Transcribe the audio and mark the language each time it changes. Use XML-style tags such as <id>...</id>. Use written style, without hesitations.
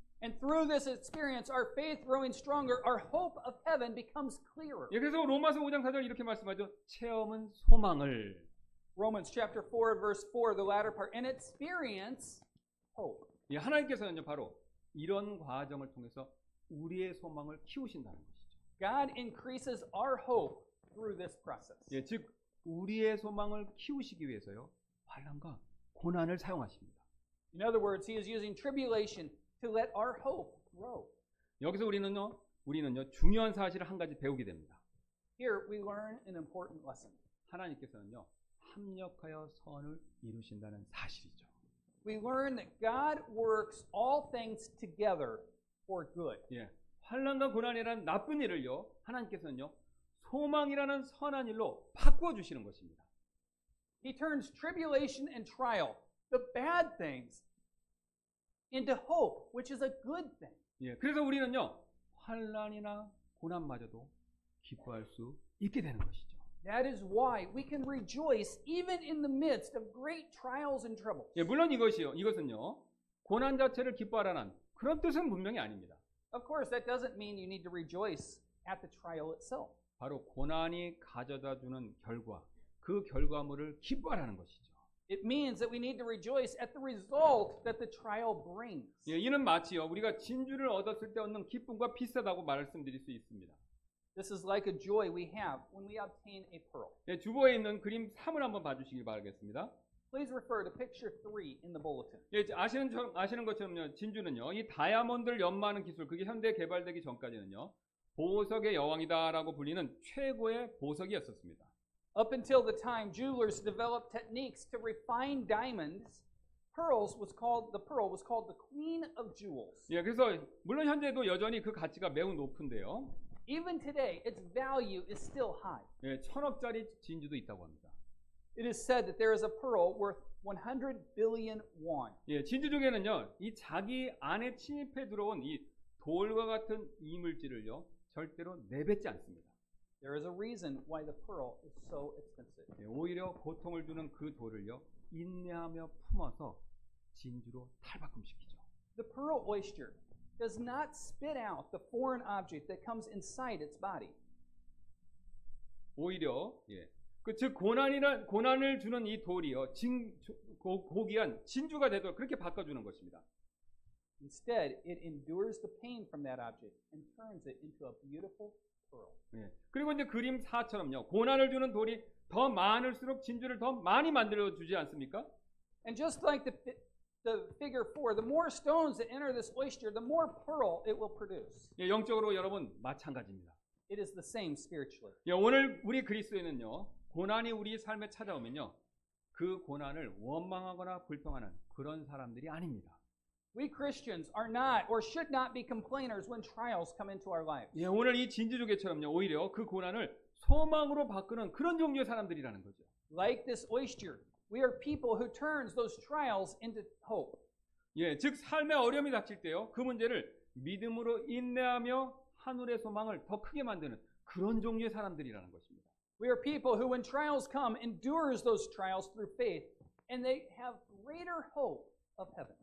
<en>And through this experience our faith growing stronger our hope of heaven becomes clearer.</en> <ko>예, 그래서 로마서 5장 4절 이렇게 말씀하죠. 체험은 소망을</ko> <en>Romans chapter 4 verse 4 the latter part and experience hope.</en> <ko>예, 하나님께서는요 바로 이런 과정을 통해서 우리의 소망을 키우신다는 것이죠.</ko> <en>God increases our hope through this process.</en> <ko>예, 즉 우리의 소망을 키우시기 위해서요. 환난과 고난을 사용하십니다.</ko> <en>In other words, he is using tribulation to let our hope grow.</en> <ko>여기서 우리는요. 우리는요 중요한 사실을 한 가지 배우게 됩니다.</ko> <en>Here we learn an important lesson.</en> <ko>하나님께서는요 합력하여 선을 이루신다는 사실이죠.</ko> <en>We learn that God works all things together for good.</en> <ko>예, 환난과 고난이란 나쁜 일을요 하나님께서는요 소망이라는 선한 일로 바꾸어 주시는 것입니다.</ko> <en>He turns tribulation and trial, the bad things, into hope, which is a good thing.</en> <ko>예, 그래서 우리는요 환난이나 고난마저도 기뻐할 수 있게 되는 것이죠.</ko> <en>That is why we can rejoice even in the midst of great trials and troubles.</en> <ko>예, 물론 이것이요, 이것은요 고난 자체를 기뻐하라는 그런 뜻은 분명히 아닙니다.</ko> <en>Of course, that doesn't mean you need to rejoice at the trial itself.</en> <ko>바로 고난이 가져다 주는 결과, 그 결과물을 기뻐하라는 것이죠.</ko> <en>It means that we need to rejoice at the result that the trial brings.</en> <ko>예, 이는 마치요 우리가 진주를 얻었을 때 얻는 기쁨과 비슷하다고 말씀드릴 수 있습니다.</ko> <en>This is like a joy we have when we obtain a pearl.</en> <ko>예, 주보에 있는 그림 3을 한번 봐주시길 바라겠습니다.</ko> <en>Please refer to picture 3 in the bulletin.</en> <ko>예, 아시는 것처럼요, 진주는요, 이 다이아몬드를 연마하는 기술, 그게 현대에 개발되기 전까지는요, 보석의 여왕이다라고 불리는 최고의 보석이었었습니다.</ko> <en>Up until the time jewelers developed techniques to refine diamonds, the pearl was called the queen of jewels.</en> <ko>예, 그래서 물론 현재도 여전히 그 가치가 매우 높은데요.</ko> <en>Even today, its value is still high.</en> <ko>예, 천억짜리 진주도 있다고 합니다.</ko> <en>It is said that there is a pearl worth 100 billion won.</en> <ko>예, 진주 중에는요, 이 자기 안에 침입해 들어온 이 돌과 같은 이물질을요, 절대로 내뱉지 않습니다.</ko> <en>There is a reason why the pearl is so expensive.</en> <ko>예, 오히려 고통을 주는 그 돌을요, 인내하며 품어서 진주로 탈바꿈시키죠.</ko> <en>The pearl oyster does not spit out the foreign object that comes inside its body.</en> <ko>오히려 예, 그 즉 고난을 주는 이 돌이요 고귀한 진주가 되도록 그렇게 바꿔주는 것입니다.</ko> <en>Instead, it endures the pain from that object and turns it into a beautiful pearl.</en> <ko>예, 그리고 이제 그림 4처럼요 고난을 주는 돌이 더 많을수록 진주를 더 많이 만들어 주지 않습니까?</ko> <en>And just like the figure 4, the more stones that enter this oyster, the more pearl it will produce.</en> <ko>예, 영적으로 여러분 마찬가지입니다.</ko> <en>It is the same spiritually.</en> <ko>예, 오늘 우리 그리스도인은요 고난이 우리 삶에 찾아오면요 그 고난을 원망하거나 불평하는 그런 사람들이 아닙니다.</ko> <en>We Christians are not or should not be complainers when trials come into our lives.</en> <ko>예, 오늘 이 진주 조개처럼요 오히려 그 고난을 소망으로 바꾸는 그런 종류의 사람들이라는 거죠.</ko> <en>Like this oyster, we are people who turns those trials into hope.</en> <ko>예, 즉 삶의 어려움이 닥칠 때요 그 문제를 믿음으로 인내하며 하늘의 소망을 더 크게 만드는 그런 종류의 사람들이라는 것입니다.</ko> <en>We are people who, when trials come, endures those trials through faith, and they have greater hope of heaven.</en>